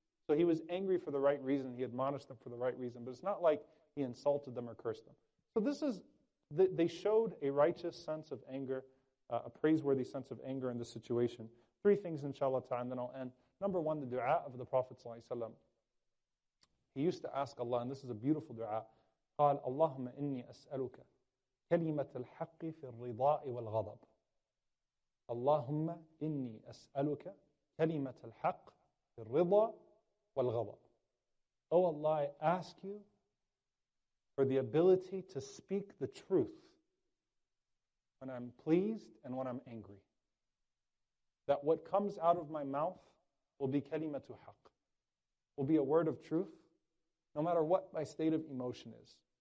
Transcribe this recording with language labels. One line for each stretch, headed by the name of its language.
English: So he was angry for the right reason, he admonished them for the right reason, but it's not like he insulted them or cursed them. So this is, they showed a righteous sense of anger, a praiseworthy sense of anger in the situation. Three things, inshallah ta'ala, and then I'll end. Number one, the dua of the Prophet sallallahu alayhi wa sallam. He used to ask Allah, and this is a beautiful dua.
Arabic: قال اللهم إني أسألك كلمة الحق في الرضاء والغضب. اللهم إني أسألك كلمة الحق في الرضاء والغضب.
English: Oh Allah, I ask you for the ability to speak the truth when I'm pleased and when I'm angry. That what comes out of my mouth will be
Arabic: كلمة حق,
English: will be a word of truth, no matter what my state of emotion is.